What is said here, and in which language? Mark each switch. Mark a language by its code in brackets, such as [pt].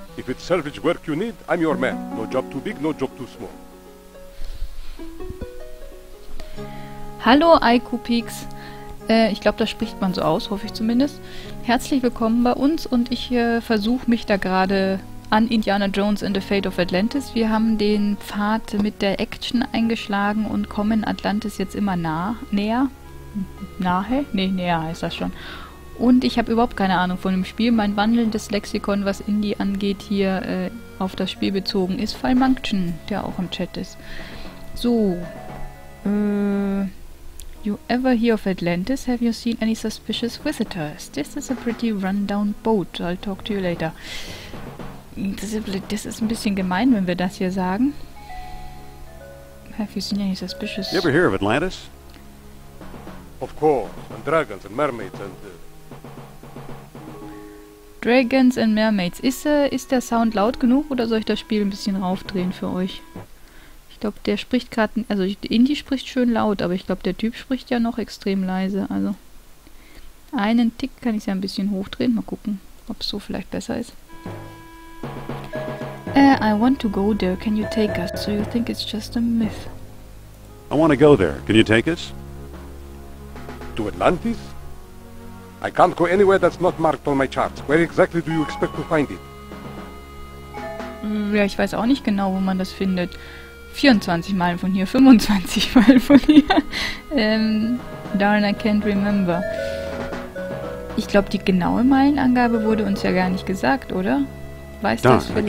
[en] If it's salvage work you need, I'm your man. No job too big, no job too small. [de] Hallo IQ Peaks. Ich glaube, das spricht man so aus, hoffe ich zumindest. Herzlich willkommen bei uns und ich versuche mich da gerade an Indiana Jones and the Fate of Atlantis. Wir haben den Pfad mit der Action eingeschlagen und kommen Atlantis jetzt immer näher heißt das schon. Und ich habe überhaupt keine Ahnung von dem Spiel. Mein wandelndes Lexikon, was Indie angeht, hier auf das Spiel bezogen ist Falmunction, der auch im Chat ist. So. [en] You ever hear of Atlantis? Have you seen any suspicious visitors? This is a pretty rundown boat. I'll talk to you later. [de] Das ist ein bisschen gemein, wenn wir das hier sagen. [en] Have you seen any suspicious... You ever hear of Atlantis? Of course. And dragons and mermaids and... Dragons and Mermaids. [de] Ist der Sound laut genug oder soll ich das Spiel ein bisschen raufdrehen für euch? Ich glaube, der spricht gerade... Also, Indy spricht schön laut, aber ich glaube, der Typ spricht ja noch extrem leise. Also, einen Tick kann ich es ja ein bisschen hochdrehen. Mal gucken, ob es so vielleicht besser ist. [en] I want to go there. Can you take us? So you think it's just a myth? I want to go there. Can you take us? To Atlantis? I can't go anywhere that's not marked on my chart. Where exactly do you expect to find it? [de] Ja, ich weiß auch nicht genau, wo man das findet. 24 Meilen von hier, 25 Meilen von hier. [en] Darn, I can't remember. [de] Ich glaube, die genaue Meilenangabe wurde uns ja gar nicht gesagt, oder? Weißt du das vielleicht?